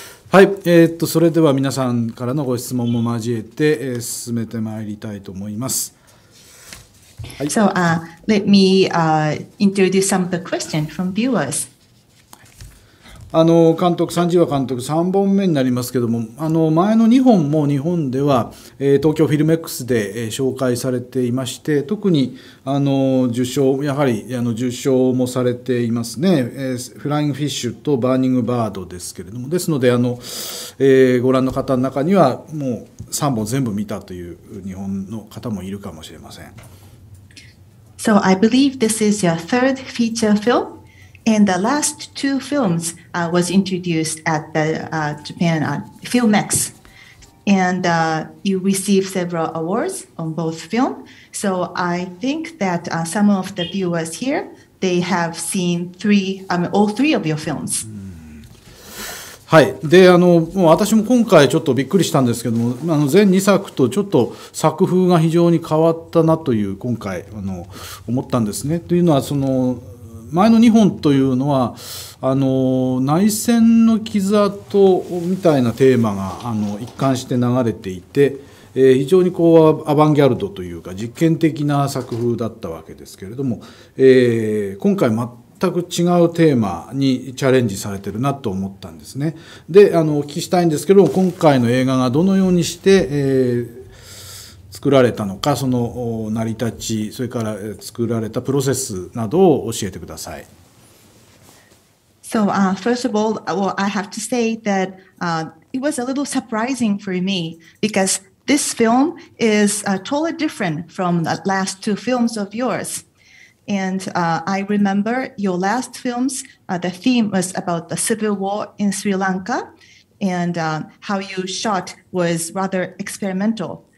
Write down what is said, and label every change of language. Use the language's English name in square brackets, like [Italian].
[Japanese] はい、それでは皆さんからのご質問も交えて、進めてまいりたいと思います。 [English] So, let me introduce some of the questions from viewers. [Japanese] 監督、サンジーワ監督、3本目になりますけども、前の2本も日本では、東京フィルメックスで、紹介されていまして、特に受賞、やはり受賞もされていますね、フライングフィッシュとバーニングバードですけれども、ですので、ご覧の方の中には、もう3本全部見たという日本の方もいるかもしれません。 [English] So I believe this is your third feature film, and the last two films was introduced at the Japan FilmX. And you received several awards on both film. So I think that some of the viewers here, they have seen all three of your films. [Japanese] はい、で、もう私も今回ちょっとびっくりしたんですけども、前2作とちょっと作風が非常に変わったなという今回思ったんですね。というのはその前の2本というのは内戦の傷跡みたいなテーマが一貫して流れていて、非常にこうアバンギャルドというか実験的な作風だったわけですけれども、今回全く違うテーマにチャレンジされてるなと思ったんですね。で、お聞きしたいんですけども、今回の映画がどのようにして、作られたのか、その成り立ち、それから作られたプロセスなどを教えてください。 [English] So, first of all, well, I have to say that it was a little surprising for me because this film is totally different from the last two films of yours. And I remember your last films, the theme was about the civil war in Sri Lanka, and how you shot was rather experimental.